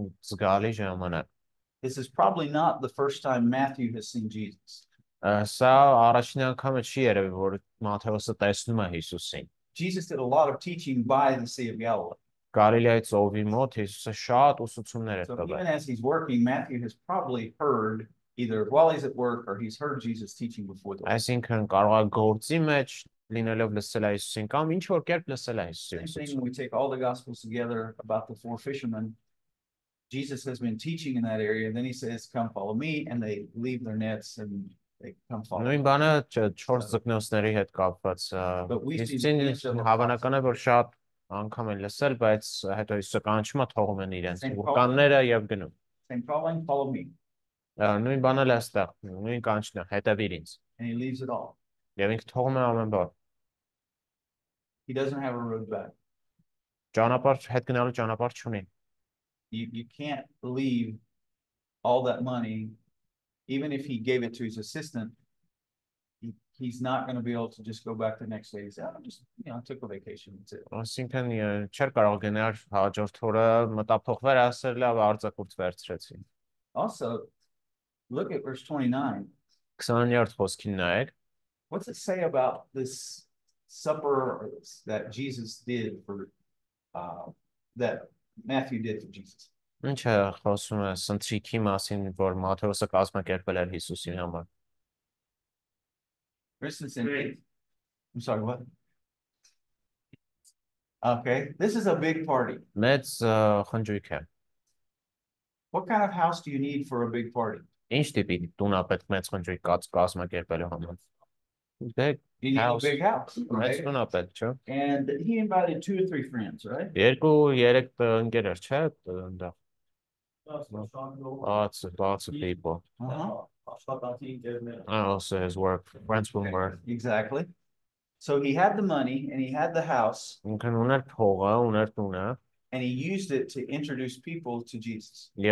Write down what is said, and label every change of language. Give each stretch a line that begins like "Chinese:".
English: This is probably not the first time Matthew has seen Jesus.
Armenian: Սա առաջին անգամը չի երևի, որ Մաթեոսը տեսնում է Հիսուսին։
English: Jesus did a lot of teaching by the Sea of Galilee.
Armenian: Գալիլեայի ծովի մոտ Հիսուսը շատ ուսուցումներ է տվել։
English: So even as he's working, Matthew has probably heard either while he's at work or he's heard Jesus teaching before that.
Armenian: Այսինքն կարող է գործի մեջ լինելով լսել է Հիսուսին կամ ինչ որ կերպ լսել է Հիսուսին։
English: When we take all the gospels together about the four fishermen, Jesus has been teaching in that area, then he says, "Come follow me," and they leave their nets and
Armenian: Նույն բանը 4 ձկնոցների հետ կապված։ Հիսուսին հավանական է, որ շատ անգամ են լսել, բայց հետո Հիսուսը կանչում է թողում են իրենց ուղեկիցները եւ գնում։
English: Same calling, follow me.
Armenian: Նույն բանը լստեղ, նույն կանչն է, հետևիր ինձ։
English: And he leaves it all.
Armenian: Եվ ինքը թողում է ամեն բան։
English: He doesn't have a road back.
Armenian: Ճանապարհ հետ գնալու ճանապարհ չունի։
English: You can't leave all that money. Even if he gave it to his assistant, he's not going to be able to just go back the next day. He said, I took a vacation.
Armenian: Այսինքն, չէր կարող գնալ հաջորդ օրը, մտափոխվեր, ասել, լավ, արձակուրդ վերցրեցին.
English: Also, look at verse 29.
Armenian: 29-րդ խոսքին նայեք.
English: What's it say about this supper that Jesus did for, that Matthew did for Jesus?
Armenian: Ինչ է խոսում է սնտրիքի մասին, որ Մաթեոսը կազմակերպել էր Հիսուսի համար։
English: Christensen. I'm sorry, what? Okay, this is a big party.
Armenian: Մեծ խնջույք է։
English: What kind of house do you need for a big party?
Armenian: Ինչ տիպի տուն է պետք մեծ խնջույք կազմակերպելու համար։
English: Big house. Big house.
Armenian: Մեծ տուն է պետք, չէ՞։
English: And he invited two or three friends, right?
Armenian: Երեք ընկեր էր, չէ՞, այնտեղ։
English: Lots of people. Uh-huh. Also, his work, friends from work. Exactly. So he had the money and he had the house. And he used it to introduce people to Jesus.